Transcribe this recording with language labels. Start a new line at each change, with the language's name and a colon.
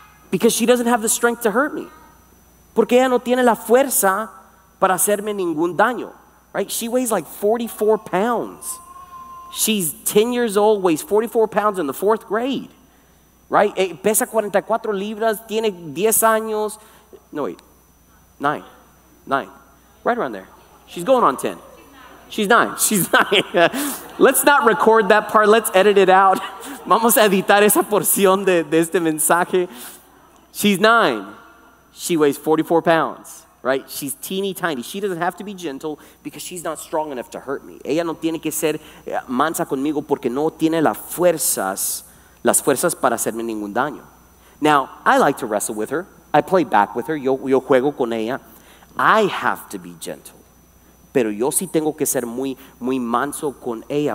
English: Because she doesn't have the strength to hurt me.
Spanish: Porque ella no tiene la fuerza para hacerme ningún daño.
English: Right? She weighs like 44 pounds. She's 10 years old, weighs 44 pounds in the fourth grade. Right?
Spanish: Pesa 44 libras, tiene 10 años.
English: No, wait. Nine. Right around there. She's going on 10. She's nine. Let's not record that part. Let's edit it out.
Spanish: Vamos a editar esa porción de este mensaje.
English: She's nine. She weighs 44 pounds, right? She's teeny tiny. She doesn't have to be gentle because she's not strong enough to hurt me.
Spanish: Ella no tiene que ser mansa conmigo porque no tiene las fuerzas para hacerme ningún daño.
English: Now, I like to wrestle with her. I play back with her,
Spanish: yo juego con ella.
English: I have to be gentle.
Spanish: Pero yo sí tengo que ser muy, muy manso con ella.